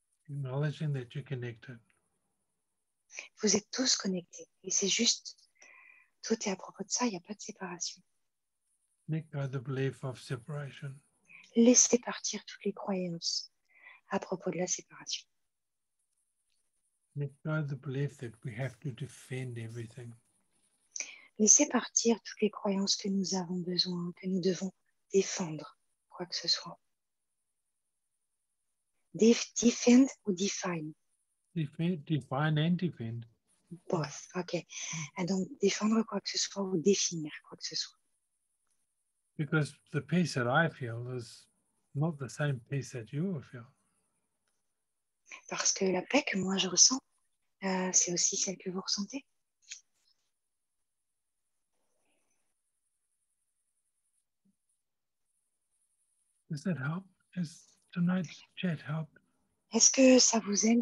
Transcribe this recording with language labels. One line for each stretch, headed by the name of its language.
English: Acknowledging that you're connected.
French: Vous êtes tous connectés et c'est juste, tout est à propos de ça, il n'y a pas de séparation.
English: Let go the belief of separation.
French: Laissez partir toutes les croyances à propos de la séparation.
English: Let go the belief that we have to defend everything.
French: Laissez partir toutes les croyances que nous avons besoin, que nous devons défendre, quoi que ce soit.
English: Defend ou define? Define and defend. Both, ok.
French: Et donc, défendre quoi que ce soit ou définir quoi que ce soit.
English: Because the peace that I feel is not the same peace that you feel.
French: Parce que la paix que moi je ressens, c'est aussi celle que vous ressentez.
English: Does that help? Has tonight's chat helped?
French: Est-ce que ça vous aide?